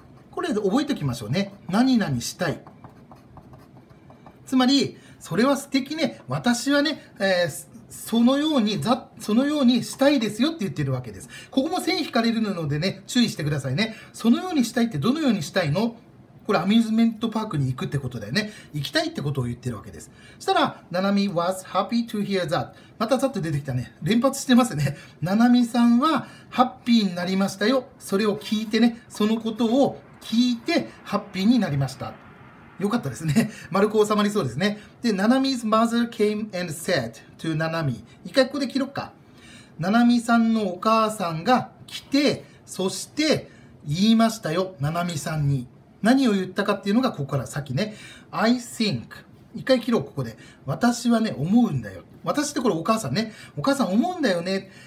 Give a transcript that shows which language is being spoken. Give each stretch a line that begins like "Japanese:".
Japanese: これ覚えておきましょうね。何々したい。つまり、それは素敵ね。私はね、そのように、そのようにしたいですよって言ってるわけです。ここも線引かれるのでね、注意してくださいね。そのようにしたいってどのようにしたいの？これアミューズメントパークに行くってことだよね。行きたいってことを言ってるわけです。そしたら、
English: ナナミ was happy to hear that。
Japanese: またざっと出てきたね。連発してますね。ナナミさんはハッピーになりましたよ。それを聞いてね。そのことを聞いてハッピーになりました。よかったですね。丸く収まりそうですね。
English: で、ナナミ 's mother came and said to ナナミ。
Japanese: 一回ここで切ろっか。ナナミさんのお母さんが来て、そして言いましたよ。ナナミさんに。何を言ったかっていうのがここから先ね。
English: I think、
Japanese: 一回切ろう、ここで。私はね、思うんだよ。私ってこれお母さんね。お母さん思うんだよね。